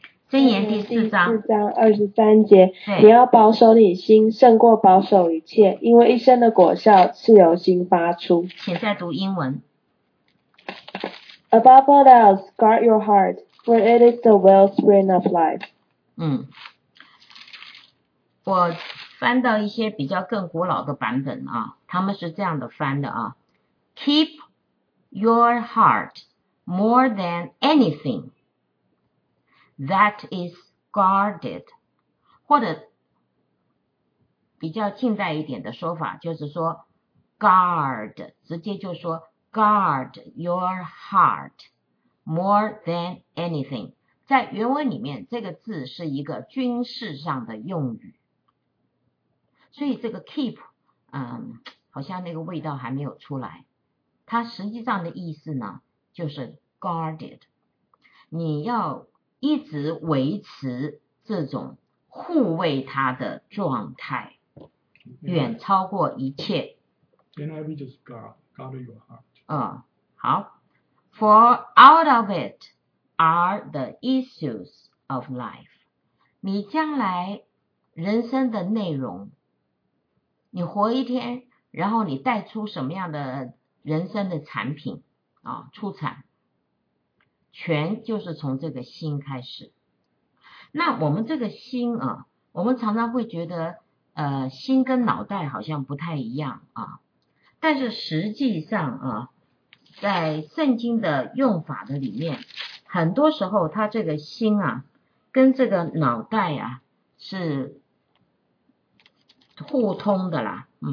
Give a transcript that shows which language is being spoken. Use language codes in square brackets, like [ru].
[zh] 箴言第四章 23节，你要保守你心，胜过保守一切，因为一生的果效是由心发出。请再读英文。 [en] Above all else, guard your heart, for it is the wellspring of life. [zh] 嗯，我翻到一些比较更古老的版本啊，他们是这样的翻的啊。 [en] Keep your heart more than anything that is guarded. [zh] 或者比较近代一点的说法就是说 guard, 直接就说 [en] guard your heart more than anything. [zh] 在原文里面这个字是一个军事上的用语。所以这个 keep, 好像那个味道还没有出来。它实际上的意思呢就是 guarded, 你要一直维持这种护卫它的状态，远超过一切。 [en] NIV [zh] 就是 [en] guard your heart. [zh] 好， [en] For out of it are the issues of life. [zh] 你将来人生的内容，你活一天，然后你带出什么样的人生的产品啊，出产全就是从这个心开始。那我们这个心啊，我们常常会觉得心跟脑袋好像不太一样啊，但是实际上啊，在圣经的用法的里面，很多时候它这个心啊跟这个脑袋啊是互通的啦。